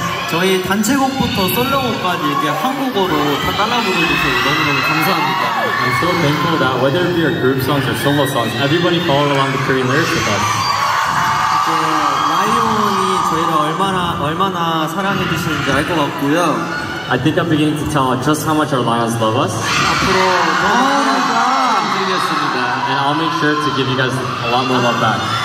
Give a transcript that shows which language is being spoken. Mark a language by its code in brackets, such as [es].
[ko] 저희 단체곡부터 솔로곡까지 이렇게 한국어로 다 따라 부르셔서 너무너무 감사합니다. [en] I'm so thankful that whether it be your group songs or solo songs, everybody followed along the Korean lyrics with us. [ko] 라이온이 저희를 얼마나 사랑해 주시는지 알 것 같고요. [en] I think I'm beginning to tell just how much our lions love us. [ko] 앞으로 너무 감사드리겠습니다. [en] And I'll make sure to give you guys a lot more love back.